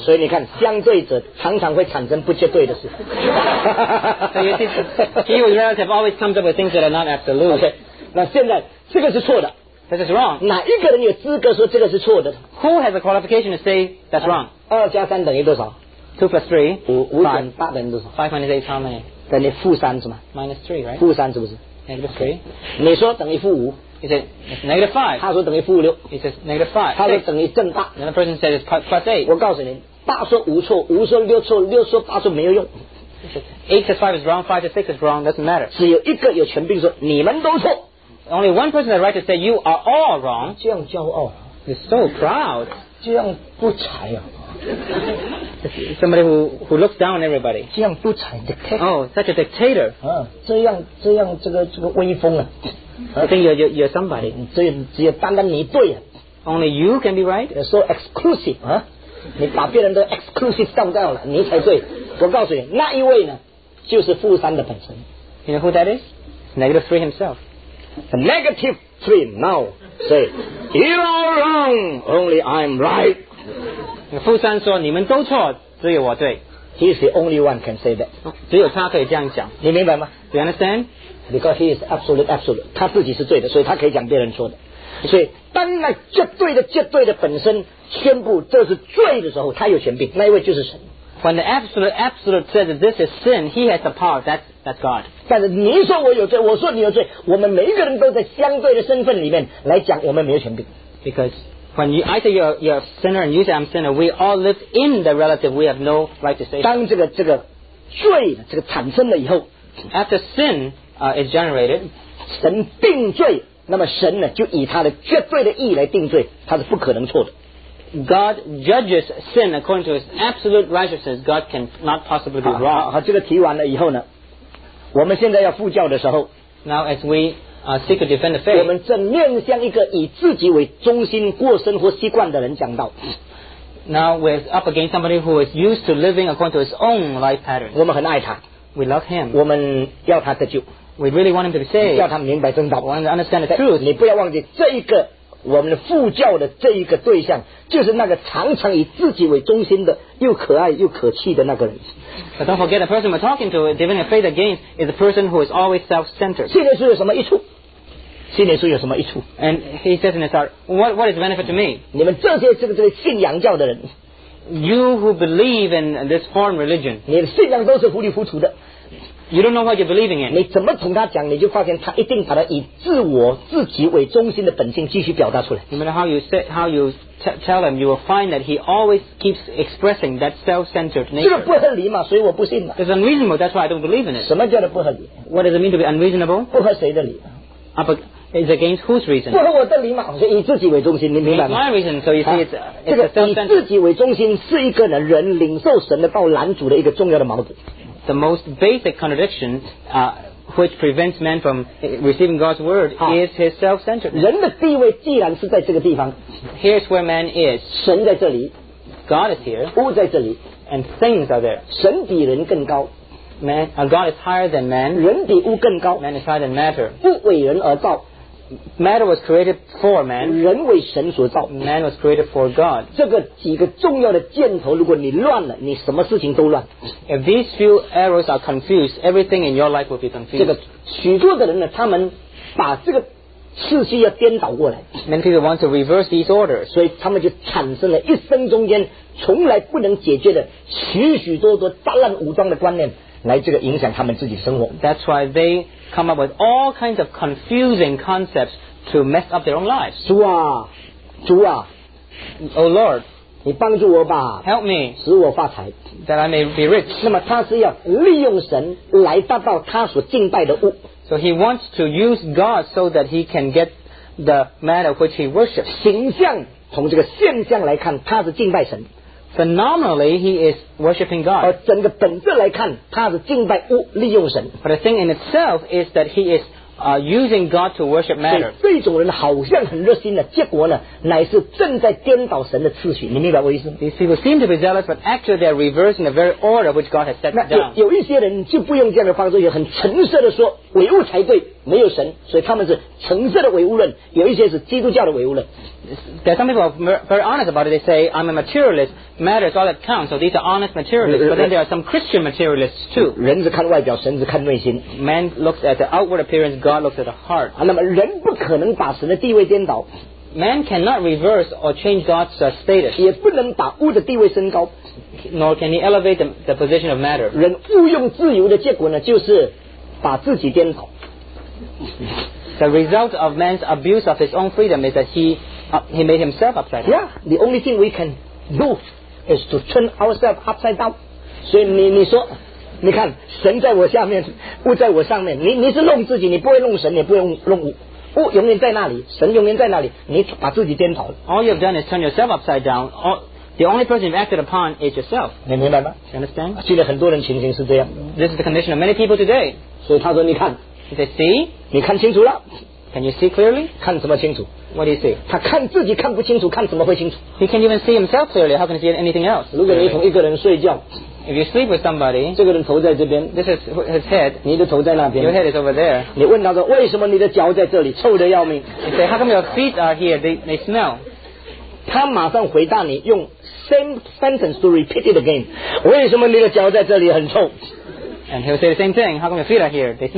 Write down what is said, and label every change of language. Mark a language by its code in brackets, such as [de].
[zh] 所以你看，相对者常常会产生不绝对的事。 [en] So you see, he with relative always comes up with things that are not absolute. Okay. [zh] 那现在这个是错的。 [en] This is wrong. [zh] 哪一个人有资格说这个是错的？ [en] Who has a qualification to say that's wrong? [zh] 2+3=多少？ [en] 2+3=5. [zh] 5+8=多少？ [en] 5 - 8 = how many? [zh] 等于-3是吗？ [en] -3, right? [zh] -3是不是？ [en] -3. [zh] 你说等于-5。 [en] He said -5. [zh] 他说等于-6。 [en] He says -5. [zh] 他说等于-8。 [en] And the person said it's +8. [zh] 我告诉你， 8说5错， 5说6错， 6说8说没有用。 [en] 8+5 is wrong, 5+6 is wrong, doesn't matter. [zh] 只有一个有权柄说你们都错。 [en] Only one person has the right to say you are all wrong. You're so proud. [zh] 这样不才啊。 [en] Somebody who looks down on everybody. [zh] 这样不才 [en] Oh, such a dictator. [zh] 这样这个威风啊。 [en] I think you're somebody. [zh] 只有单单你对啊。 [en] Only you can be right? You're so exclusive. [zh] 你把别人的 exclusive 当掉了，你才对。我告诉你，那一位呢，就是负三的本身。 [en] You know who that is? Negative three himself. The negative three now say, you're all wrong, only I'm right. [zh] 负三说，你们都错，只有我对。 [en] He's the only one can say that. [zh] 只有他可以这样讲。你明白吗？ [en] Do you understand? Because he is absolute, absolute. [zh] 他自己是对的，所以他可以讲别人错的。所以当那绝对的绝对的本身宣布这是罪的时候，他有权柄，那一位就是神。 [en] When the absolute absolute says that this is sin, he has the power. That's God. [zh] 但是你说我有罪，我说你有罪，我们每一个人都在相对的身份里面来讲，我们没有权柄。 [en] Because when I say you're a sinner and you say I'm a sinner, we all live in the relative. We have no right to say. [zh] 当这个罪这个产生了以后 [en] ，after sin is generated, [zh] 神定罪。那么神呢，就以他的绝对的义来定罪，他是不可能错的。 [en] God judges sin according to His absolute righteousness. God can not possibly be wrong. [zh] 好，这个提完了以后呢，我们现在要复教的时候 [en] ，Now as we seek to defend the faith， [zh] 我们正面向一个以自己为中心过生活习惯的人讲道。 [en] Now we're up against somebody who is used to living according to his own life pattern. [zh] 我们很爱他 [en] ，We love him. [zh] 我们要他得救。 [en] We really want him to be saved. [zh] 叫他明白真道。 [en] Want to understand the truth. [zh] 你不要忘记这一个我们的副教的这一个对象，就是那个常常以自己为中心的，又可爱又可气的那个人。 [en] But don't forget the person we're talking to, defending faith against, is a person who is always self-centered. [zh] 信耶稣有什么益处？信耶稣有什么益处 [en] ？And he says in his heart, what is the benefit to me? [zh] 你们这些信仰教的人 [en] ，You who believe in this foreign religion, [zh] 你的信仰都是糊里糊涂的。 [en] You don't know what you're believing in. [zh] 你怎么从他讲，你就发现他一定把他以自我自己为中心的本性继续表达出来。 [en] No matter how you tell him, you will find that he always keeps expressing that self-centered nature. [zh] 这个不合理嘛，所以我不信嘛。 [en] It's unreasonable. That's why I don't believe in it. [zh] 什么叫做不合理？ [en] What does it mean to be unreasonable? [zh] 不合谁的理？ [en] It's against whose reason? [zh] 不合我的理嘛，所以以自己为中心，你明白吗？ [en] It's my reason. So you see, it's self-centered. [zh] 这个以自己为中心是一个人领受神的道拦阻的一个重要的矛盾。 [en] The most basic contradiction, which prevents man from receiving God's word, is his self-centeredness. [zh] 人的地位既然是在这个地方 [en] ，Here's where man is. [zh] 神在这里 [en] ，God is here. [zh] 物在这里 [en] ，and things are there. [zh] 神比人更高 [en] ，Man. God is higher than man. [zh] 人比物更高 [en] ，Man is higher than matter. [zh] 物为人而造 [en] ，Matter was created for man. [zh] 人为神所造 [en] ，Man was created for God. [zh] 这个几个重要的箭头，如果你乱了，你什么事情都乱。 [en] If these few arrows are confused, everything in your life will be confused. [zh] 这个许多的人呢，他们把这个次序要颠倒过来。 [en] Many people want to reverse these orders, [zh] 所以他们就产生了一生中间从来不能解决的许许多多杂乱无章的观念，来这个影响他们自己生活。 [en] That's why they come up with all kinds of confusing concepts to mess up their own lives. [zh] 主啊，主啊 [en] ，Oh Lord. [zh] 你帮助我吧 [en] ，Help me， [zh] 使我发财 [en] ，That I may be rich。 [zh] 那么他是要利用神来达到他所敬拜的物 [en] ，So he wants to use God so that he can get the matter which he worships。 [zh] 形象从这个现象来看，他是敬拜神 [en] ，Phenomenally he is worshiping God。 [zh] 而整个本质来看，他是敬拜物，利用神。 [en] But the thing in itself is that he is using God to worship matter. [zh] 这种人好像很热心的，结果呢，乃是正在颠倒神的次序。你明白我意思吗 [en] ？These people seem to be zealous, but actually they're reversing the very order which God has set down. [zh] 那有一些人就不用这样的方式，也很诚实的说，唯物才对，没有神，所以他们是诚实的唯物论。有一些是基督教的唯物论。 [en] There are some people very honest about it. They say I'm a materialist. Matter is all that counts. So these are honest materialists. But then there are some Christian materialists too. [zh] 人是看外表，神是看内心。 [en] Man looks at the outward appearance. God looks at the heart. [zh] 那么人不可能把神的地位颠倒。 [en] Man cannot reverse or change God's status. [zh] 也不能把物的地位升高。 [en] Nor can he elevate the position of matter. [zh] 人误用自由的结果呢，就是把自己颠倒。 [en] The result of man's abuse of his own freedom is that he made himself upside down. Yeah, the only thing we can do is to turn ourselves upside down. [zh] 所以你说，你看神在我下面，物在我上面。你是弄自己，你不会弄神，也不会弄物。物永远在那里，神永远在那里，你把自己颠倒了。 [en] All you've done is turn yourself upside down. The only person you've acted upon is yourself. [zh] 你明白吗？ [en] You understand? [zh] 现在很多人情形是这样。 [en] This is the condition of many people today. [zh] 所以他说，你看。 [en] He said, see? [zh] 你看清楚了。 [en] Can you see clearly? [zh] 看什么清楚？ [en] What do you see? [zh] 他看自己看不清楚，看怎么会清楚？ [en] He can't even see himself clearly. How can he see anything else? [zh] 如果你同一个人睡觉， [en] if you sleep with somebody, [zh] 这个人头在这边， [en] this is his head. [zh] 你的头在那边， [en] your head is over there. [zh] 你问他说，为什么你的脚在这里，臭得要命？ [en] He said, how come your feet are here? They smell. [zh] 他马上回答你，用 [en] same sentence to repeat it again. [zh] 为什么你的脚在这里，很臭？ [en] And he'll say the same thing. How come your feet are here? They smell.